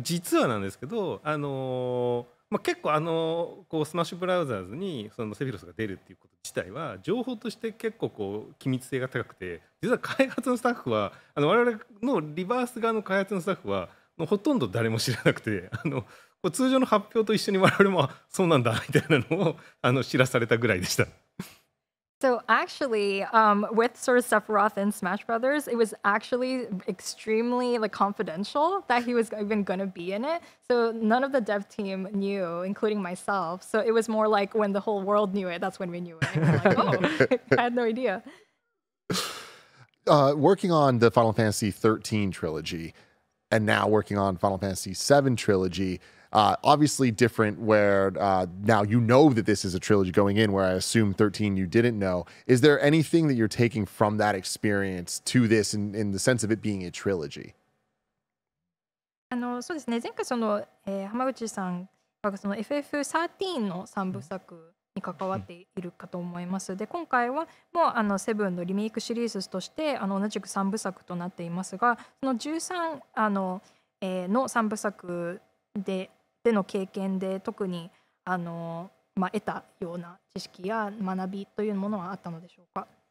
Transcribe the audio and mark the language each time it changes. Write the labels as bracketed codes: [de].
[ja] 実はなんですけど、まあ、結構こうスマッシュブラウザーズにそのセフィロスが出るっていうこと自体は情報として結構こう機密性が高くて、実は開発のスタッフは我々のリバース側の開発のスタッフはほとんど誰も知らなくて、こう通常の発表と一緒に我々もそうなんだみたいなのを知らされたぐらいでした。 [en] So actually, with sort of Sephiroth and Smash Brothers, it was actually extremely like confidential that he was even going to be in it. So none of the dev team knew, including myself. So it was more like when the whole world knew it, that's when we knew it. Like, oh, I had no idea. Working on the Final Fantasy 13 trilogy, and now working on Final Fantasy 7 trilogy, Obviously different where now you know that this is a trilogy going in, where I assume 13 you didn't know. Is there anything that you're taking from that experience to this in the sense of it being a trilogy? [ja] そうですね、前回その、浜口さんがその FF13 の三部作に関わっているかと思います。で今回はもうあの7のリメイクシリーズとしてあの同じく三部作となっていますが、その13 の三部作 での経験で特にあの、まあ、得たような知識や学びというものはあったのでしょうか。